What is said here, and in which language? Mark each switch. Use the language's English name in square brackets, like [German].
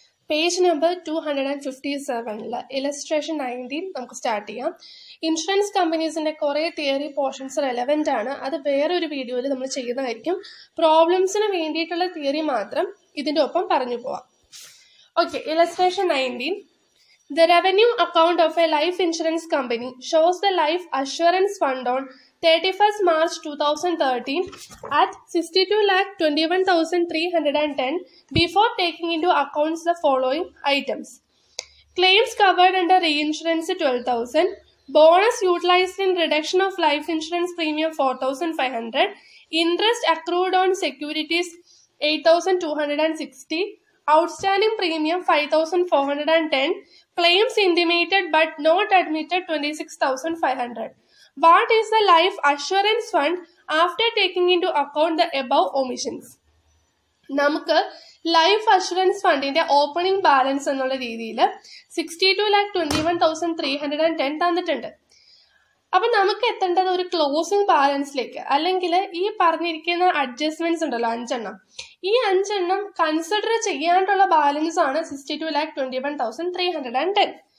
[Malayalam] Page number 257 illustration 19 നമുക്ക് start ചെയ്യാം. Insurance കമ്പനീസിൻ്റെ കുറേ തിയറി പോർഷൻസ് റെലവൻ്റ് ആണ്, അത് വേറൊരു വീഡിയോയിൽ നമ്മൾ ചെയ്യുന്നതായിരിക്കും. പ്രോബ്ലംസിന് വേണ്ടിയിട്ടുള്ള തിയറി മാത്രം ഇതിൻ്റെ ഒപ്പം പറഞ്ഞു പോവാം. Okay, illustration 19. [English] The revenue account of a life insurance company shows the life assurance fund on 31st March 2013 at 62,21,310 before taking into accounts the following items. Claims covered under reinsurance 12,000, bonus utilized in reduction of life insurance premium 4,500, interest accrued on securities 8,260, outstanding premium 5,410, claims intimated but not admitted 26,500. What is the life assurance fund after taking into account the above omissions? [Malayalam] നമുക്ക് life assurance ഫണ്ടിന്റെ opening balance എന്നുള്ള രീതിയിൽ 62,21,310 തന്നിട്ടുണ്ട്. അപ്പൊ നമുക്ക് എത്തേണ്ടത് ഒരു closing ബാലൻസിലേക്ക്, അല്ലെങ്കിൽ ഈ പറഞ്ഞിരിക്കുന്ന അഡ്ജസ്റ്റ്മെന്റ്സ് ഉണ്ടല്ലോ 5 എണ്ണം, ഈ 5 എണ്ണം കൺസിഡർ ചെയ്യാനുള്ള ബാലൻസ് ആണ് 62,21,310.